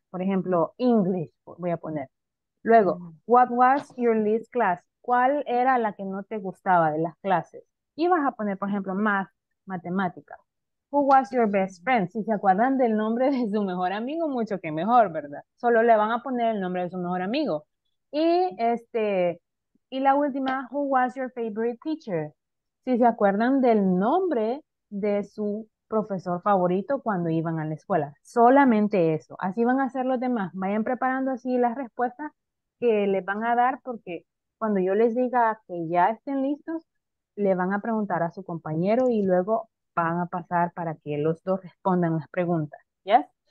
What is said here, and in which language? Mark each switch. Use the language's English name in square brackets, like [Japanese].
[Spanish] Por ejemplo, English, voy a poner. Luego, [English] what was your least class? [Spanish] ¿Cuál era la que no te gustaba de las clases? Y vas a poner, por ejemplo, math, matemática. [English] Who was your best friend? [Spanish] Si se acuerdan del nombre de su mejor amigo, mucho que mejor, ¿verdad? Solo le van a poner el nombre de su mejor amigo. Y y la última, [English] who was your favorite teacher? [Spanish] Si se acuerdan del nombre de su profesor favorito cuando iban a la escuela. Solamente eso. Así van a hacer los demás. Vayan preparando así las respuestas que les van a dar, porque cuando yo les diga que ya estén listos, le van a preguntar a su compañero y luego van a pasar para que los dos respondan las preguntas. ¿Ya?